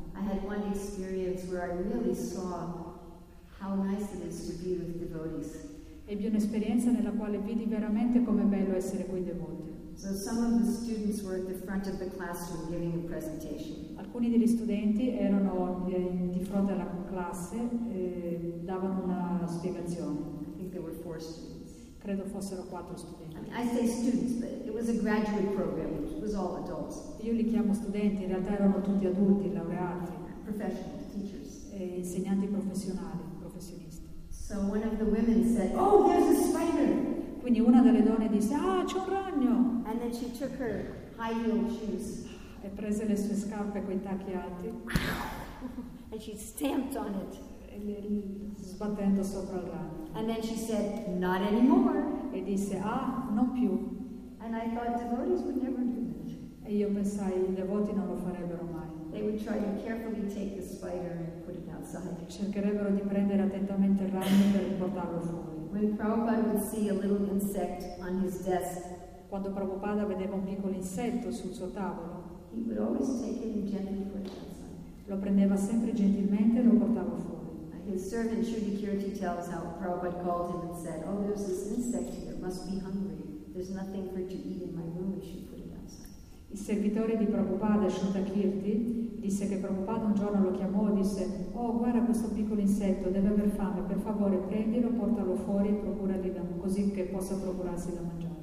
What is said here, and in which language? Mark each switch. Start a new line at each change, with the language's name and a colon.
English: I had one experience where I really saw how nice it is to be with devotees.
Italian: Ebbi un'esperienza nella quale vidi veramente com'è bello essere con i devoti.
English: So some of the students were at the front of the classroom giving a presentation.
Italian: Alcuni degli studenti erano di fronte alla classe e davano una spiegazione.
English: I think there were four students.
Italian: Credo fossero quattro studenti.
English: I say students, but it was a graduate program. It was all adults.
Italian: Io li chiamo studenti, in realtà erano tutti adulti, laureati.
English: Professional teachers.
Italian: E insegnanti professionali, professionisti.
English: So one of the women said, "Oh, there's a spider."
Italian: Quindi una delle donne disse, ah, c'è un ragno!
English: And then she took her high heel shoes.
Italian: E prese le sue scarpe con i tacchi alti.
English: And she stamped on it.
Italian: E sbattendo sopra il ragno.
English: And then she said, not anymore.
Italian: E disse, ah, non più.
English: And I thought devotees would never do that.
Italian: E io pensai, i devoti non lo farebbero mai.
English: They would try to carefully take the spider and put it outside.
Italian: Cercherebbero di prendere attentamente il ragno per portarlo fuori.
English: When Prabhupada would see a little insect on his desk,
Italian: quando Prabhupada vedeva un piccolo insetto sul suo tavolo,
English: he would always take it and gently put it outside.
Italian: Lo prendeva sempre gentilmente e lo portava fuori.
English: His servant Shruti Kirti tells how Prabhupada called him and said, "Oh, there's this insect here. It must be hungry. There's nothing for it to eat in my room. You should put it outside."
Italian: Il servitore di Prabhupada Shruti Kirti disse che Prabhupada un giorno lo chiamò e disse, oh, guarda questo piccolo insetto, deve aver fame, per favore prendilo, portalo fuori e procurali da, così che possa procurarsi da mangiare.